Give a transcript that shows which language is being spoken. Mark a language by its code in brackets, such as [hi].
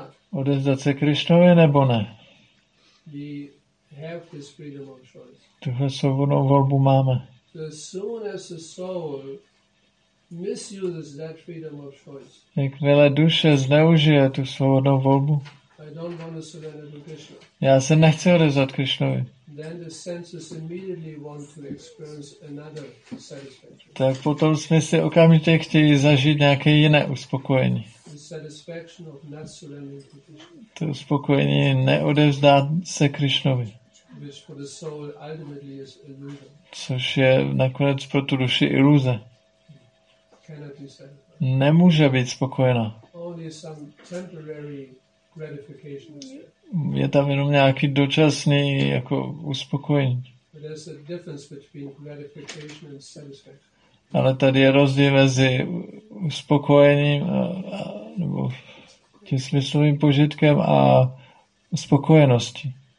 [cs] Odevzdat se Krišnovi nebo ne. [en] We have this freedom of choice. [cs] Tuhle svobodnou volbu máme. [en] So as soon as the soul misuses that freedom of choice. [cs] Jakmile duše zneužije tu svobodnou volbu. [en] I don't want to surrender to Krishna. [cs] Já se nechci odevzdat Krišnovi. [en] Then the senses immediately want to experience another satisfaction. [cs] Tak potom smysly okamžitě chtějí zažít nějaké jiné uspokojení. [en] Satisfaction of not surrendering to Krishna. [cs] To uspokojení neodevzdát se Krišnovi. [en] Which for the soul ultimately is illusion. [cs] Což je nakonec pro tu duši iluze. [en] Cannot be satisfied. [cs] Nemůže být spokojena. [en] Only some temporary gratification is there. [cs] Je tam jenom nějaký dočasný jako uspokojení. [en] But there's a difference between gratification and satisfaction. [cs] Ale tady je rozdíl mezi uspokojením nebo tím smyslovým požitkem a spokojeností.